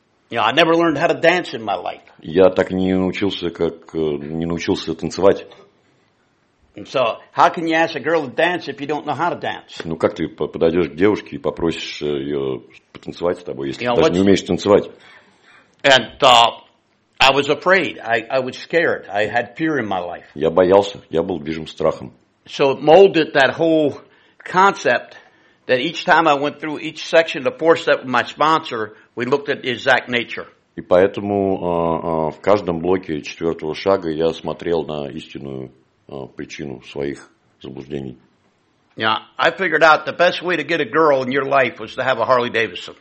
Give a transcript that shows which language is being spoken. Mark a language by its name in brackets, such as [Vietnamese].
[English] Yeah, I never learned how to dance in my life. [Russian] Я так и не научился танцевать. [English] And so, how can you ask a girl to dance if you don't know how to dance? [Russian] Ну как ты подойдешь к девушке и попросишь ее потанцевать с тобой, если ты даже не умеешь танцевать? [English] And I was afraid. I was scared. I had fear in my life. [Russian] Я боялся. Я был движим страхом. [English] So it molded that whole concept that each time I went through each section of the four step with my sponsor. We looked at the exact nature. [Russian] И поэтому в каждом блоке четвертого шага я смотрел на истинную причину своих заблуждений. [English] Yeah, I figured out the best way to get a girl in your life was to have a Harley Davidson.